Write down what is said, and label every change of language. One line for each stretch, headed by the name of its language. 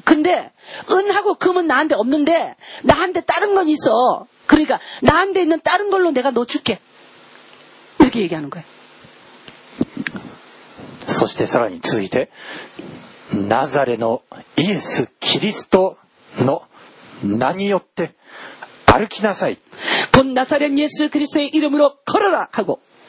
Korean: 근데 은하고 금은 나한테 없는데 나한테 다른 건 있어. 그러니까 나한테 있는 다른 걸로 내가 너 줄게. 이렇게 얘기하는 거예요.
Japanese: そしてさらに続いてナザレのイエスキリストの名によって歩きなさい。
Korean: 곧 나사렛 예수 그리스도의 이름으로 걸어라 하고.